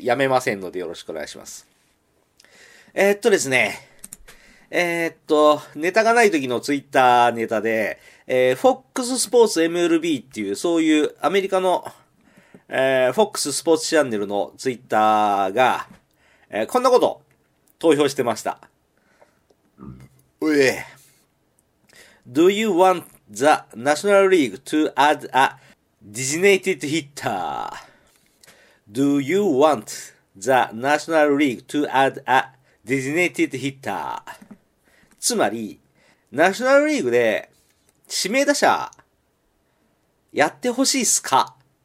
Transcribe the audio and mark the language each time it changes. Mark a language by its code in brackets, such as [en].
[ja] やめませんのでよろしくお願いします。ですね、ネタがない時のツイッターネタで、FOX スポーツ MLB っていう、そういうアメリカの、FOX スポーツチャンネルのツイッターが、こんなこと投票してました。 [en] Do you want the National League to add a designated hitter? Do you want the National League to add a designated hitter? [ja] つまり、ナショナルリーグで指名打者やってほしいっすか？